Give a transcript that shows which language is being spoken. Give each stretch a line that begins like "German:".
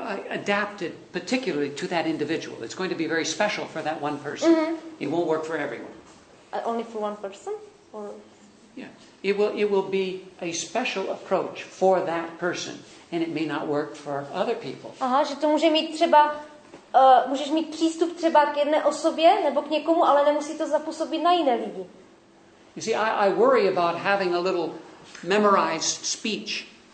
English: Adapted particularly to that individual. It's going to be very special for that one person. Mm-hmm. It won't work for everyone. Only for one person? Or? Yeah. It will be a special approach for that person, and it may not work for other people.
Czech: Aha, že to může mít třeba můžeš mít přístup třeba k jedné osobě nebo k někomu, ale nemusí to zapůsobit na jiné lidi.
English: You see, I worry about having a little memorized speech.